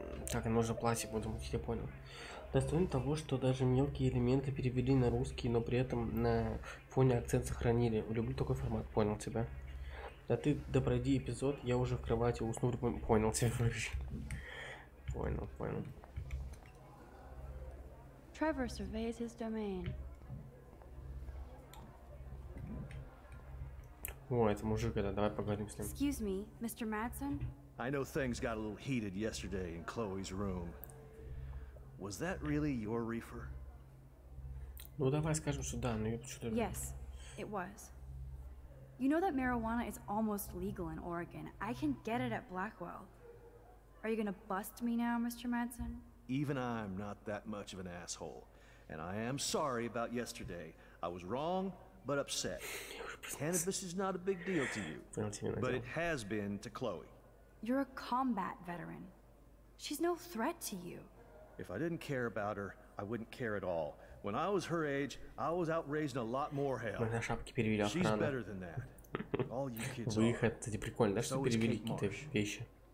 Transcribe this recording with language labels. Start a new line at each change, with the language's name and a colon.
Russian: Так, нужно платье, потому что я понял. Достойно того, что даже мелкие элементы перевели на русский, но при этом на фоне акцент сохранили. Люблю такой формат, понял тебя. Да ты допройди эпизод, я уже в кровати усну, понял тебя вообще. Понял.
English: Trevor surveys his domain.
Russian: О, это мужик, это, давай поговорим с ним.
English: Excuse me, Mr. Madsen? I know things got a little heated yesterday in Chloe's room. Was that really your reefer?
Russian: Ну давай скажем, что да, но я почему-то...
English: Yes, it was. You know that marijuana is almost legal in Oregon. I can get it at Blackwell. Are you gonna bust me now, Mr. Madsen? Even I'm not that much of an asshole. And I am sorry about yesterday. I was wrong, but upset. Cannabis is not a big deal to you, but it has been to Chloe. You're a combat veteran. She's no threat to you. If I didn't care about her, I wouldn't care at all. When I was her age, I was out raising a lot more hell. She's better than that. All you kids are.
Russian: Выход, это прикольно, да, что перевели какие-то вещи.